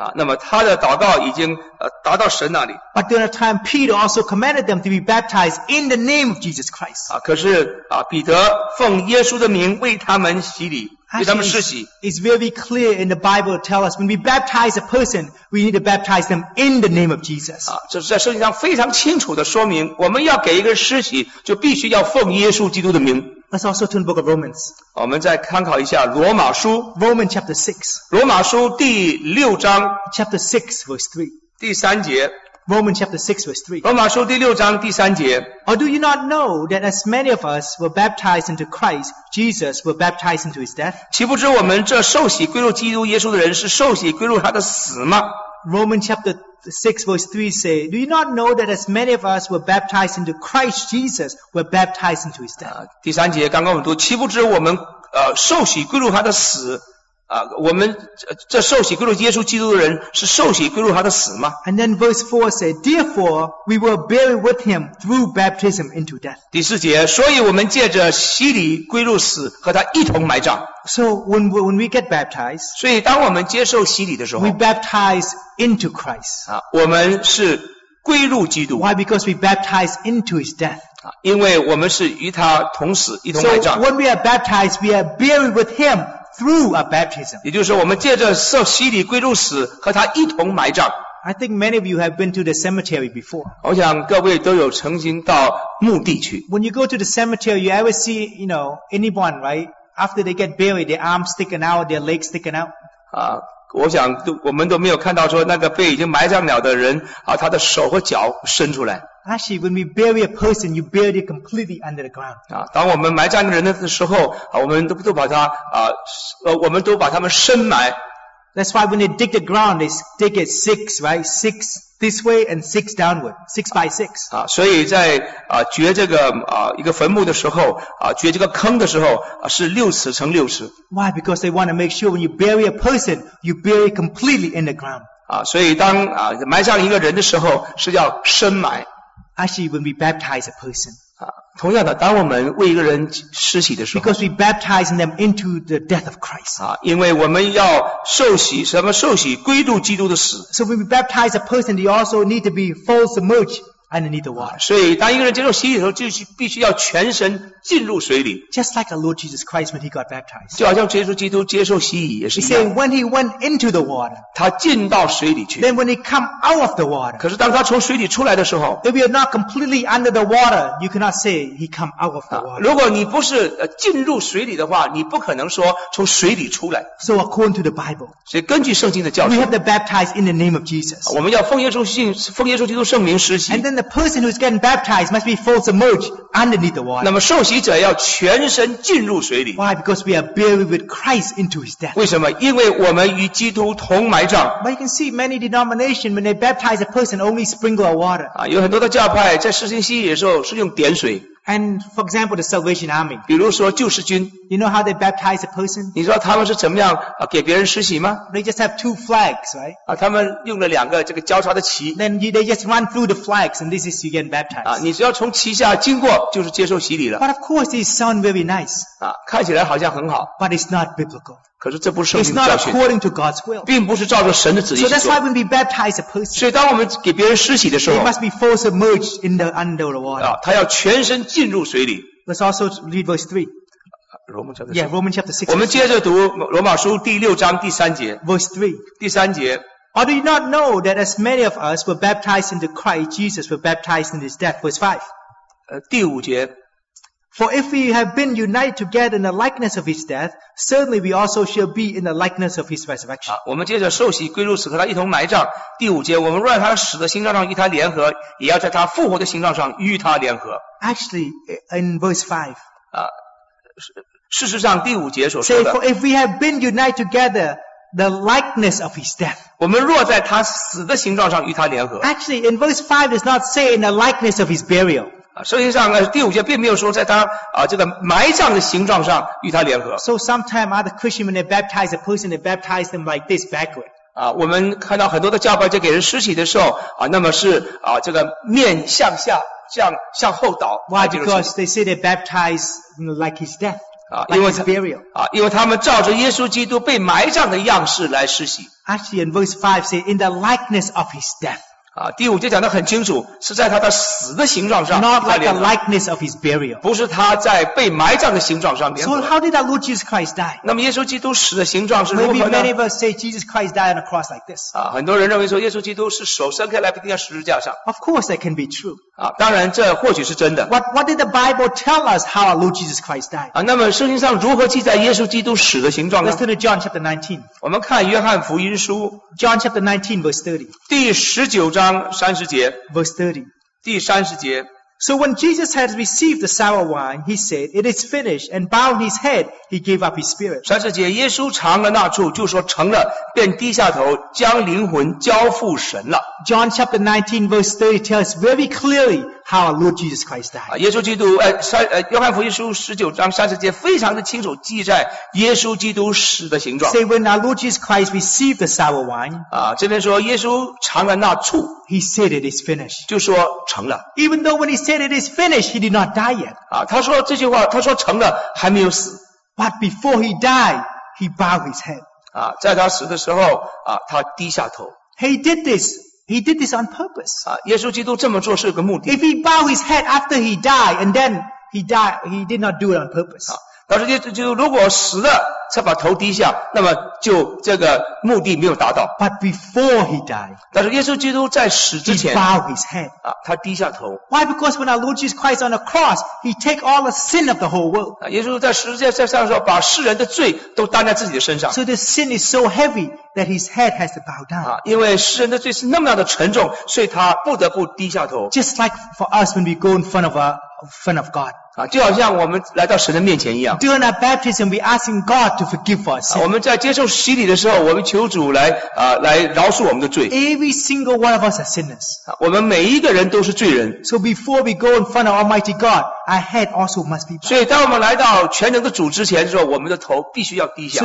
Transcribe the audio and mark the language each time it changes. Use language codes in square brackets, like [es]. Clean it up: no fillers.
[zh] 那么他的祷告已经达到神那里。 [en] But during that time, Peter also commanded them to be baptized in the name of Jesus Christ. [zh] 可是彼得奉耶稣的名为他们洗礼。 [en] It's very clear in the Bible to tell us when we baptize a person, we need to baptize them in the name of Jesus. [zh] 这是在圣经上非常清楚的说明，我们要给一个人施洗，就必须要奉耶稣基督的名。 [en] Let's also turn to the book of Romans. [zh] 我们再参考一下罗马书。 [en] Romans chapter 6. [zh] 罗马书第六章。 [en] Chapter 6 verse 3. [zh] 第三节。 [en] Romans chapter 6 verse 3. [zh] 罗马书第六章第三节。 [en] Or do you not know that as many of us were baptized into Christ, Jesus were baptized into his death? [zh] 岂不知我们这受洗归入基督耶稣的人是受洗归入他的死吗？ [en] Romans chapter 6 verse 3 say, Do you not know that as many of us were baptized into Christ, Jesus were baptized into his death? [zh] 第三节刚刚我们读，岂不知我们受洗归入他的死我们这受洗归入耶稣基督的人是受洗归入他的死吗？ [en] And then verse 4 said, Therefore, we were buried with him through baptism into death. [zh] 第四节，所以我们借着洗礼归入死，和他一同埋葬。 [en] So when we get baptized, [zh] 所以当我们接受洗礼的时候， [en] we baptize into Christ. [zh] 我们是归入基督。 [en] Why? Because we baptize into his death. [zh] 因为我们是与他同死，一同埋葬。 [en] So when we are baptized, we are buried with him. Through a baptism. [zh] 也就是我们借着受洗礼归入死，和他一同埋葬。 [en] I think many of you have been to the cemetery before. [zh] 我想各位都有曾经到墓地去。 [en] When you go to the cemetery, you ever see, you know, anyone, right? After they get buried, their arms sticking out, their legs sticking out. [zh] 我想我们都没有看到说那个被已经埋葬了的人他的手和脚伸出来。 [en] Actually, when we bury a person, you bury it completely under the ground. [zh] 当我们埋葬人的时候我们都把他我们都把他们深埋。 [en] That's why when they dig the ground, they dig it six, right? Six this way and six downward. Six by six. [zh] 所以在掘这个一个坟墓的时候掘这个坑的时候是六尺乘六尺。 [en] Why? Because they want to make sure when you bury a person, you bury it completely in the ground. [zh] 所以当埋葬一个人的时候是要深埋。 [en] Actually, when we baptize a person, [zh] 同样的，当我们为一个人施洗的时候 [en] ，because we baptize them into the death of Christ, [zh] 因为我们要受洗，什么受洗，归入基督的死。 [en] So when we baptize a person, they also need to be full submerged underneath the water. [zh] 所以当一个人接受洗礼的时候，就必须要全身进入水里。 [en] Just like our Lord Jesus Christ when he got baptized. [zh] 就好像耶稣基督接受洗礼也是一样。 [en] He said when he went into the water. [zh] 他进到水里去。 [en] Then when he come out of the water. [zh] 可是当他从水里出来的时候 [en] ，If you're not completely under the water, you cannot say he come out of the water. [zh] 如果你不是进入水里的话，你不可能说从水里出来。 [en] So according to the Bible. [zh] 所以根据圣经的教导 [en] ，We have to baptize in the name of Jesus. [zh] 我们要奉耶稣信奉耶稣基督圣名施洗。 [en] And then the person who is getting baptized must be fully submerged underneath the water. [zh] 那么受洗者要全身进入水里。 [en] Why? Because we are buried with Christ into His death. [zh] 为什么？因为我们与基督同埋葬。 [en] But you can see many denominations when they baptize a person only sprinkle of water. [zh] 啊，有很多的教派在施行洗礼的时候是用点水。 [en] And for example, the Salvation Army. [zh] 比如说救世军。 [en] You know how they baptize a person? [zh] 你知道他们是怎么样给别人施洗吗 [en] ？They just have two flags, right? [zh] 他们用了两个这个交叉的旗。 [en] Then they just run through the flags, and this is you get baptized. [zh] 你只要从旗下经过，就是接受洗礼了。 [en] But of course, it sounds very nice. [zh] 看起来好像很好。 [en] But it's not biblical. [zh] 可是这不是圣经的教训。 [en] It's not according to God's will. [zh] 并不是照着神的旨意去做。 [en] So that's why when we baptize a person. [zh] 所以当我们给别人施洗的时候 [en] ，they must be fully submerged in the under the water. [zh] 他要全身进入水里。 [en] Let's also read verse 3. Roman chapter 6. [zh] 我们接着读罗马书第六章第三节。 [en] Verse 3. [zh] 第三节。 [en] Or do you not know that as many of us were baptized into Christ, Jesus were baptized in His death? Verse 5. [zh] 第五节。 [en] For if we have been united together in the likeness of His death, certainly we also shall be in the likeness of His resurrection. [zh] 我们接着受洗归入死和他一同埋葬。第五节，我们若在他死的形状上与他联合，也要在他复活的形状上与他联合。 [en] Actually, in verse 5. [zh] 事实上，第五节所说的。 [en] Say, for if we have been united together, the likeness of His death. [zh] 我们若在他死的形状上与他联合。 [en] Actually, in verse 5 does not say in the likeness of His burial. [zh] 圣经上第五节并没有说在他这个埋葬的形状上与他联合。 [en] So sometimes other Christians when they baptize a person, they baptize them like this backward. [zh] 我们看到很多的教派在给人施洗的时候那么是这个面向下，向后倒。 [en] Why? Because they say they baptize like his death, like his burial. [zh] 因为他们照着耶稣基督被埋葬的样式来施洗。 [en] Actually, in verse 5 say in the likeness of his death. [zh] 第五节讲得很清楚，是在他的死的形状上。 [en] Not like the likeness of his burial. [zh] 不是他在被埋葬的形状上面。 [en] So how did our Lord Jesus Christ die? [zh] 那么耶稣基督死的形状是如何呢 [en] ？Maybe many of us say Jesus Christ died on a cross like this. [zh] 很多人认为说耶稣基督是手伸开来被钉在十字架上。 [en] Of course that can be true. [zh] 当然这或许是真的。 [en] What did the Bible tell us how our Lord Jesus Christ died? [zh] 那么圣经上如何记载耶稣基督死的形状呢 [en] ？Let's turn to John chapter 19. [zh] 我们看约翰福音书。 [en] John chapter 19 verse 30. [zh] 第十九章。 [en] Verse 30. [zh] 第三十节。 [en] So when Jesus had received the sour wine, he said, "It is finished." And bowing his head, he gave up his spirit. [zh] 三十节，耶稣尝了那醋，就说成了，便低下头，将灵魂交付神了。 [en] John chapter 19 verse 30 tells very clearly how our Lord Jesus Christ died. [zh] 耶稣基督，约翰福音书十九章三十节非常的清楚记载耶稣基督死的形状。 [en] Say when our Lord Jesus Christ received the sour wine. [zh] 这边说耶稣尝了那醋。 [en] He said it is finished. [zh] 就说成了。 [en] Even though when he said it is finished, he did not die yet. [zh] 他说这句话，他说成了，还没有死。 [en] But before he died, he bowed his head. [zh] 在他死的时候，他低下头。 [en] He did this on purpose. [zh] 耶稣基督这么做是有个目的。 [en] If he bowed his head after he died, and then he died, he did not do it on purpose. [zh] 但是耶稣基督如果死了才把头低下，那么就这个目的没有达到。 [en] But before he died, [zh] 但是耶稣基督在死之前 [en] he bowed his head. [zh] 他低下头。 [en] Why? Because when our Lord Jesus Christ on the cross, he take all the sin of the whole world. [zh] 耶稣在十字架上说把世人的罪都担在自己的身上。 [en] So the sin is so heavy that his head has to bow down. [zh] 因为世人的罪是那么大的沉重，所以他不得不低下头。 [en] Just like for us when we go in front of God. [zh] 就好像我们来到神的面前一样。 [en] During our baptism, we asking God to forgive us. [zh] 我们在接受洗礼的时候，我们求主来饶恕我们的罪。 [en] Every single one of us are sinners. [zh] 我们每一个人都是罪人。 [en] So before we go in front of Almighty God, our head also must be bowed. [zh] 所以当我们来到全能的主之前的时候，我们的头必须要低下。